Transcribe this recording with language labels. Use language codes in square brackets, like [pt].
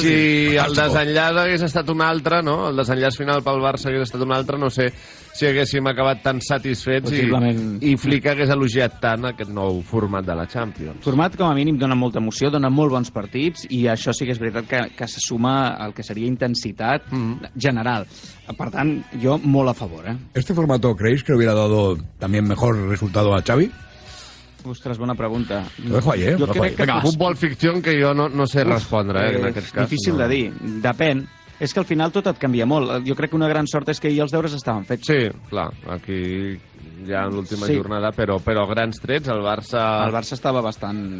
[ca] Si el desenllaç hagués estat un altre, no? El desenllaç final pel Barça hagués estat un altre, no sé si haguéssim acabat tan satisfets i Flick hagués elogiat tant aquest nou format de la Champions. Format, com a mínim, dona molta emoció, dona molt bons partits i això sí que és veritat que se suma al que seria intensitat general. Per tant, jo molt a favor, eh? [es] ¿Este formato creéis que hubiera dado también mejor resultado a Xavi? [ca] Ostres, bona pregunta. [es] Lo dejo ahí, eh? [ca] Jo crec que... Futbol ficció que jo no sé respondre, en aquest cas. Difícil de dir. Depèn. És que al final tot et canvia molt. Jo crec que una gran sort és que ahir els deures estaven fets. Sí, clar. Aquí ja en l'última jornada, però grans trets, el Barça... El Barça estava bastant...